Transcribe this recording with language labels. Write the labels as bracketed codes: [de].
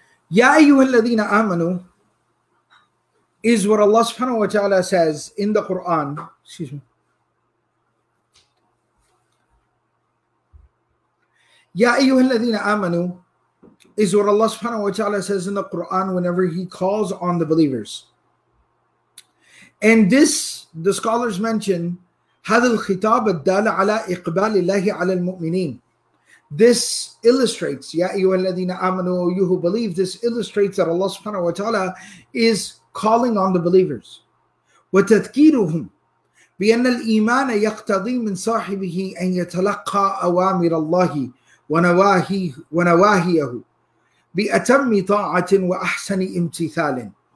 [ar] Ya ayyuhal ladhina amanu [en] is what Allah subhanahu wa ta'ala says in the Quran. Excuse me. [ar] Ya ayyuhal ladhina amanu [en] is what Allah subhanahu wa ta'ala says in the Quran whenever He calls on the believers. And this, the scholars mention, [ar] هَذَا الْخِتَابَ الدَّالَ عَلَىٰ إِقْبَالِ اللَّهِ عَلَىٰ الْمُؤْمِنِينَ. [en] This illustrates, [ar] يَا أَيُّهَا الَّذِينَ آمَنُوا [en] you who believe, this illustrates that Allah subhanahu wa ta'ala is calling on the believers. [ar] وَتَذْكِيرُهُمْ بِأَنَّ الْإِيمَانَ يَقْتَضِي مِنْ صَاحِبِهِ أَنْ يَتَلَقَّى أَوَامِرَ اللَّهِ وَنَوَاهِيَهُ بِأَتَمِّ طَاعَةٍ وَأَحْسَنِ إِمْتِثَالٍ.